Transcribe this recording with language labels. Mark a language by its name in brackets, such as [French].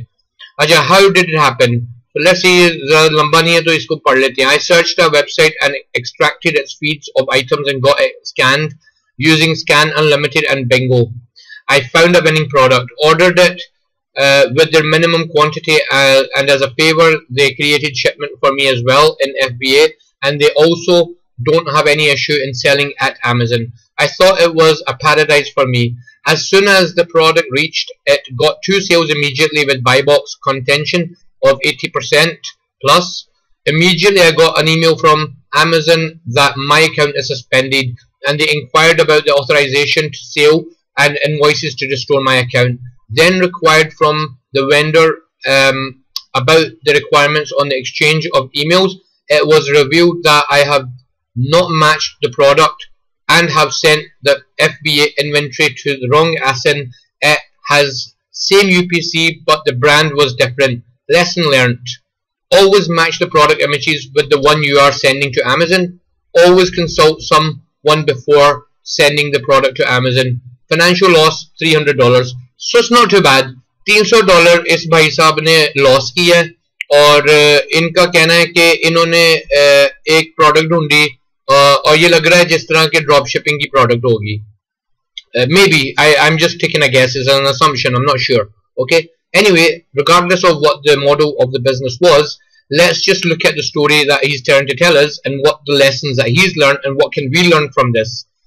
[English] अच्छा, how did it happen, let's see, [Hindi] ज्यादा लंबा नहीं है तो इसको पढ़ लेते हैं। [English] I searched a website and extracted feeds of items and got scan using Scan Unlimited and bingo, I found a winning product, ordered it with their minimum quantity and as a favor they created shipment for me as well in FBA and they also don't have any issue in selling at Amazon. I thought it was a paradise for me. As soon as the product reached, it got two sales immediately with buy box contention of 80% plus. Immediately I got an email from Amazon that my account is suspended and they inquired about the authorization to sale and invoices to restore my account. Then required from the vendor about the requirements on the exchange of emails, it was revealed that I have not matched the product and have sent the FBA inventory to the wrong ASIN. It has same UPC but the brand was different. Lesson learned. Always match the product images with the one you are sending to Amazon. Always consult someone before sending the product to Amazon. Financial loss $300. So it's not too bad. [Hindi] $300 इस भाई साहब ने loss की है और इनका कहना है कि इन्होंने एक प्रोडक्ट ढूंढी और ये लग रहा है जिस तरह के ड्रॉप शिपिंग की प्रोडक्ट होगी। [English] Maybe I am just taking a guess, is an assumption, I am not sure. Okay, anyway, regardless of what the model of the business was, let's just look at the story that he is trying to tell us and what the lessons that he is learn and what can we learn from this.